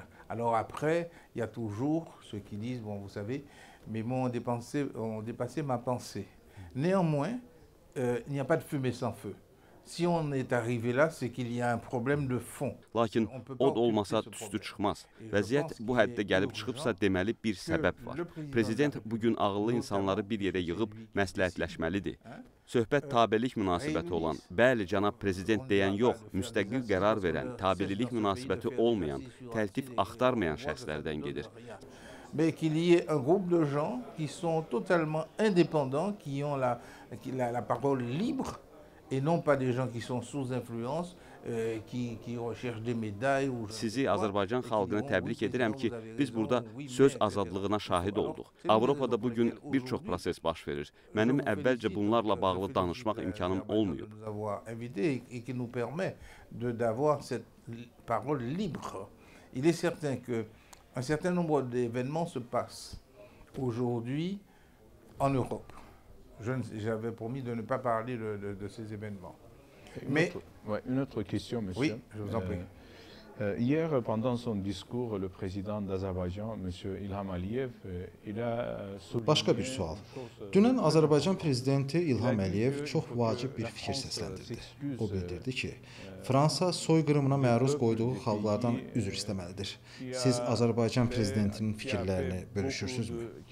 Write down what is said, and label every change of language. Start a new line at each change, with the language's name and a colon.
French: Alors après, il y a toujours ceux qui disent bon, vous savez, mes mots ont dépassé ma pensée. Néanmoins, il n'y a pas de fumée sans feu. Si on est arrivé là, c'est qu'il y a un problème de fond.
Azerbaijani: Lakin od olmasa tüstü çıxmaz. Vəziyyət bu həddə gəlib çıxıbsa deməli bir səbəb var. Prezident bu gün ağıllı insanları bir yerə yığıb məsləhətləşməlidir. Söhbət tabelik münasibəti olan, bəli cənab prezident deyən yox, müstəqil qərar verən, tabelilik münasibəti olmayan, təltif axtarmayan şəxslərdən gedir.
French: Mais qu'il y ait un groupe de gens qui sont totalement indépendants, qui ont la parole libre. Et non pas des gens qui sont sous influence qui recherchent des médailles ou
Azerbaijani: Sizi Azərbaycan xalqını təbrik edirəm ki biz burada söz azadlığına şahid olduq. Avropada bu gün bir çox proses baş verir. Mənim əvvəlcə bunlarla bağlı danışmaq imkanım olmayıb.
French: Et qui nous permet d'avoir cette parole libre. Il est certain que un certain nombre d'événements se passent aujourd'hui en Europe. J'avais promis de ne pas parler de ces événements. Mais une autre question, monsieur. Oui, je vous en prie. Hier, pendant son discours, le président d'Azerbaïdjan, monsieur Ilham Aliyev, il a souligné...
Azerbaijani: Başka bir sual. Dünən Azərbaycan prezidenti İlham Əliyev çox vacib bir fikir səsləndirdi. O bildirdi ki, Fransa soyqırımına məruz qoyduğu xalqlardan üzr istəməlidir. Siz Azərbaycan prezidentinin fikirlərini bölüşürsünüzmü?